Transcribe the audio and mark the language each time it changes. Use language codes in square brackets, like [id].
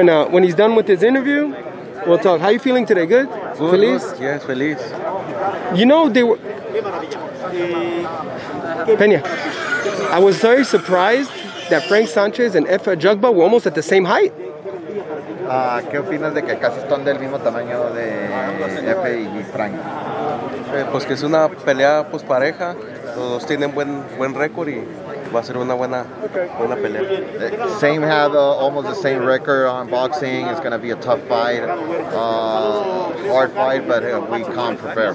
[en] When he's done with his interview, we'll talk. How are you feeling today? Good? Good. [es] Feliz? [en] Good. Yes, feliz. You know, they were... Peña, I was very surprised that Frank Sanchez and Efe Jugba were almost at the same height. [es] ¿Qué opinas de que casi están del mismo tamaño de Efe y Frank? Pues que es una pelea pues pareja. Los dos tienen buen récord y va a ser una buena pelea. [en] Same had almost the same record on boxing. It's going to be a tough fight, hard fight, but we can't prepare.